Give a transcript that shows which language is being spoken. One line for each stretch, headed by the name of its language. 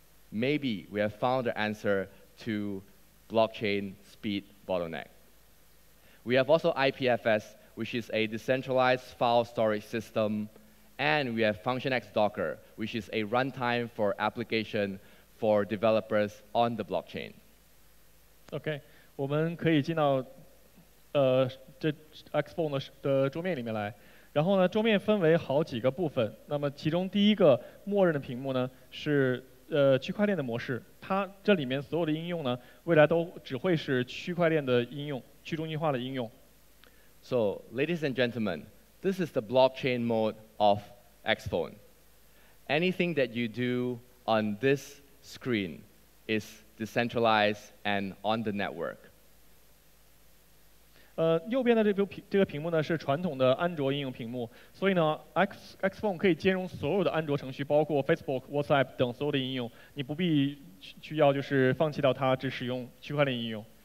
English: Maybe we have found the answer to blockchain speed bottleneck. We have also IPFS, which is a decentralized file storage system, and we have FunctionX Docker, which is a runtime for application for developers on the blockchain.
Chinese: Okay, 我们可以进到这 XPhone 的桌面里面来，然后呢，桌面分为好几个部分。那么其中第一个默认的屏幕呢是区块链的模式，它这里面所有的应用呢，未来都只会是区块链的应用，去中心化的应用。
English: So, ladies and gentlemen, this is the blockchain mode of XPhone. Anything that you do on this screen is decentralized and on the network.
Chinese: 右边的这个屏幕呢是传统的安卓应用屏幕，所以呢，XPhone可以兼容所有的安卓程序，包括Facebook、WhatsApp等所有的应用，你不必需要就是放弃掉它，只使用区块链应用。